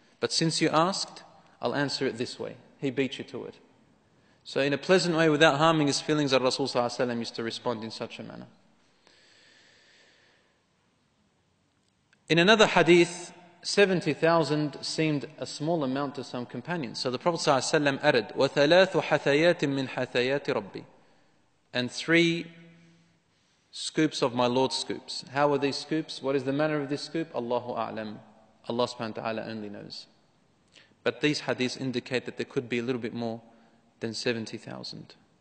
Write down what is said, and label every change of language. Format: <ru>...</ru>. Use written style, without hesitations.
<en>But since you asked, I'll answer it this way. He beat you to it. So in a pleasant way, without harming his feelings, Rasul Sallallahu Alaihi Wasallam used to respond in such a manner. In another hadith, 70,000 seemed a small amount to some companions. So the Prophet ﷺ added,</en> <ar>وَثَلَاثُ حَثَيَاتٍ مِّنْ حَثَيَاتِ رَبِّي.</ar> <en>And three scoops of my Lord's scoops. How are these scoops? What is the manner of this scoop? Allahu A'lam. Allah subhanahu wa ta'ala only knows. But these hadiths indicate that there could be a little bit more than 70,000.</en>